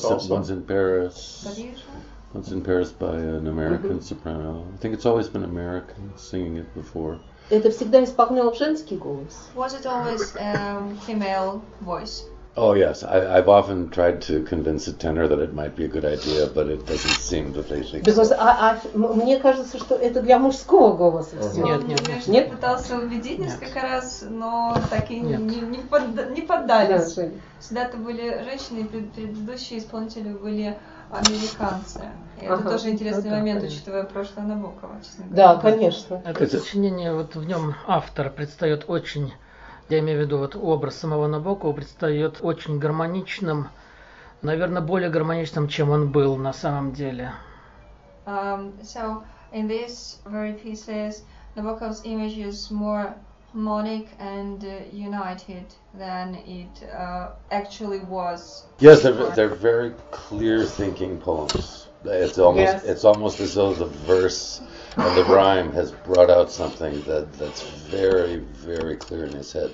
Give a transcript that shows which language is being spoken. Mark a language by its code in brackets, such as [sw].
[en] Once in Paris. Once in Paris by an American soprano. I think it's always been American singing it before. [ru] Это всегда исполнял женский голос. [en] Was it always a female voice? Oh, yes. I've often tried to convince a tenor that it might be a good idea, but it doesn't seem that they think. Because [ru] мне кажется, что это для мужского голоса. Нет, нет, нет. Нет, пытался убедить несколько раз, но так и не поддались. Всегда это были женщины, предыдущие исполнители были американцы. Это тоже интересный момент, учитывая прошлое Набокова, честно говоря. Да, конечно. Это сочинение, вот в нем автор предстает очень... Я имею в виду, вот образ самого Набокова предстает очень гармоничным, наверное, более гармоничным, чем он был на самом деле. [en] So in these very pieces, Nabokov's image is more harmonic and united than it actually was. Yes, they're very clear thinking poems. It's almost as though the verse and the rhyme has brought out something that's very, very clear in his head.